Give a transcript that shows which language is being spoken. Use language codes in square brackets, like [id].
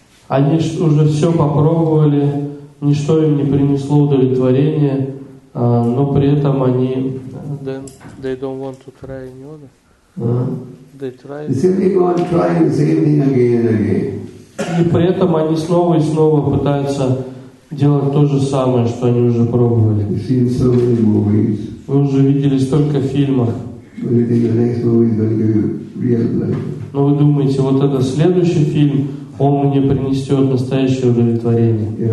[ru] Они уже все попробовали, ничто им не принесло удовлетворения, но при этом они... [en] They don't want to try any other. They try. They simply go on trying the same thing again and again. [ru] И при этом они снова и снова пытаются делать то же самое, что они уже пробовали. [en] You've seen so many movies. [ru] Вы уже видели столько фильмов. [en] But you think the next movie is going to give you real pleasure. [ru] Но вы думаете, вот этот следующий фильм, он мне принесет настоящее удовлетворение.